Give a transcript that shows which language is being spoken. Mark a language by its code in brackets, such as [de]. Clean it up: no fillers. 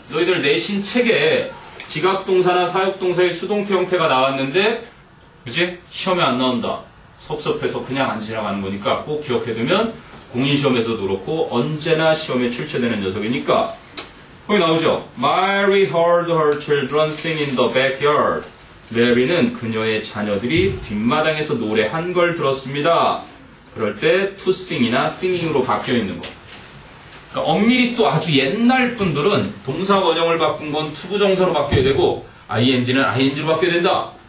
[ko] 너희들 내신 책에 지각동사나 사역동사의 수동태 형태가 나왔는데 그지? 시험에 안 나온다. 섭섭해서 그냥 안 지나가는 거니까 꼭 기억해두면 공인시험에서도 그렇고 언제나 시험에 출제되는 녀석이니까 거기 나오죠? [en] Mary heard her children sing in the backyard. [ko] Mary는 그녀의 자녀들이 뒷마당에서 노래한 걸 들었습니다. 그럴 때 to sing이나 singing으로 바뀌어 있는 거. 그러니까 엄밀히 또 아주 옛날 분들은 동사 원형을 바꾼 건 to 부정사로 바뀌어야 되고 ing는 ing로 바뀌어야 된다.